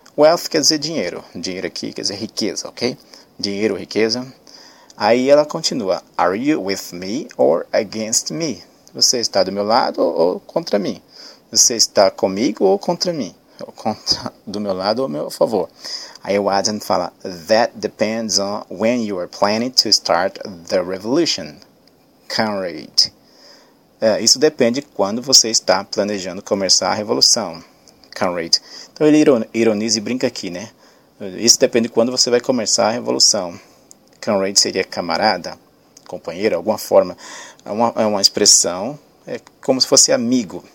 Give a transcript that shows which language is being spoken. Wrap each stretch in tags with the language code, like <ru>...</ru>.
<pt>Wealth quer dizer dinheiro. Dinheiro aqui quer dizer riqueza, ok? Dinheiro, riqueza. Aí ela continua.</pt> <en>Are you with me or against me?</en> <pt>Você está do meu lado ou contra mim? Você está comigo ou contra mim? Ou contra, do meu lado ou meu favor? Aí o Adam fala.</pt> <en>That depends on when you are planning to start the revolution. Comrade.</en> <pt>Isso depende quando você está planejando começar a revolução. Comrade. Então ele ironiza e brinca aqui, né? Isso depende quando você vai começar a revolução. Comrade seria camarada, companheiro, alguma forma. É uma expressão, é como se fosse amigo.</pt>